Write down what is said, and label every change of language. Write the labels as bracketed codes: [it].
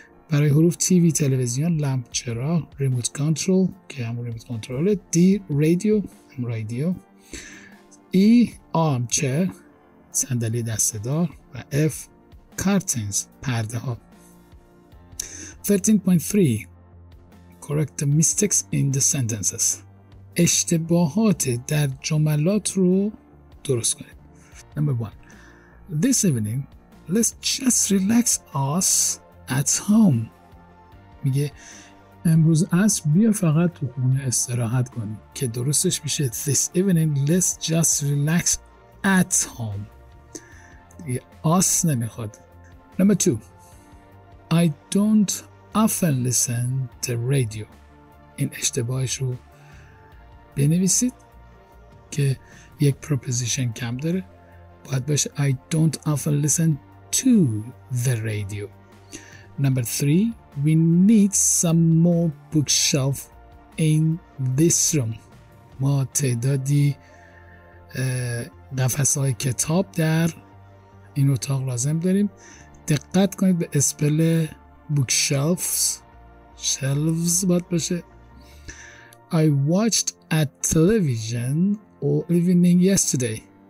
[fa] برای حروف تی وی تلویزیون لامپ چراغ ریموت کنترل که همون ریموت کنترل دی رادیو هم رادیو ای آرم چر صندلی دستدار و اف کارتنز پرده ها. [en] 13.3 correct the mistakes in the sentences [fa] اشتباهات در جملات رو درست کنید. [en] Number 1 this evening let's just relax us at home. [fa] میگه امروز عصر بیا فقط تو خونه استراحت کنیم که درستش میشه [en] this evening let's just relax at home. [fa] یه آس نمیخواد. [en] Number 2 I don't often listen to radio. [fa] این اشتباهش رو بنویسید که یک پروپوزیشن کم داره باید باشه [en] I don't often listen to the radio. Number 3 we need some more bookshelf in this room. [fa] ما تعدادی قفس‌های کتاب در این اتاق لازم داریم. دقت کنید به اسپل bookshelves shelves باید باشه. [en] I watched a television all evening yesterday.